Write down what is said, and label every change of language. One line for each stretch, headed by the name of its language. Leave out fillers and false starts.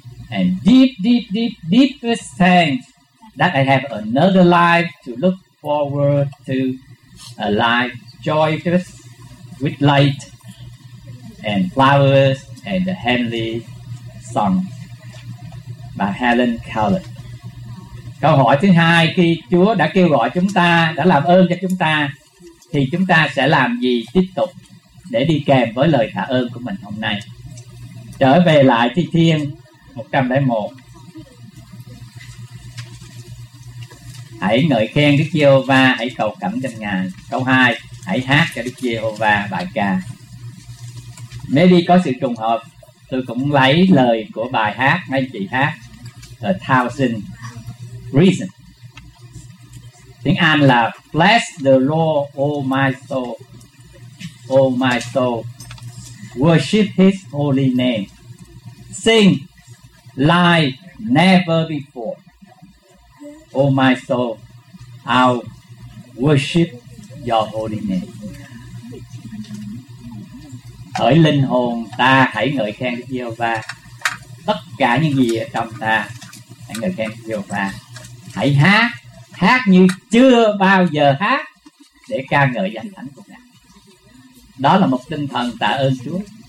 English: And deepest thanks that I have another life to look forward to, a life joyous with light and flowers and the heavenly song. By Helen Keller.
Vietnamese: Câu hỏi thứ hai, khi Chúa đã kêu gọi chúng ta, đã làm ơn cho chúng ta, thì chúng ta sẽ làm gì tiếp tục để đi kèm với lời tạ ơn của mình hôm nay? Trở về lại Thi Thiên 101. Hãy ngợi khen Đức Giê-hô-va, hãy cầu cảm danh Ngài. Câu 2, hãy hát cho Đức Giê-hô-va bài ca. Nếu đi có sự trùng hợp, tôi cũng lấy lời của bài hát mấy anh chị hát, A Thousand Reason. Tiếng Anh là
English: Bless the Lord, O my soul. O my soul, worship His holy name. Sing like never before. O my soul, I'll worship your holy name.
Vietnamese: Hỡi linh hồn ta, hãy ngợi khen Đức Giê-hô-va. Tất cả những gì ở trong ta, hãy ngợi khen Đức Giê-hô-va. Hãy hát, hát như chưa bao giờ hát, để ca ngợi danh thánh của Ngài. Đó là một tinh thần tạ ơn Chúa.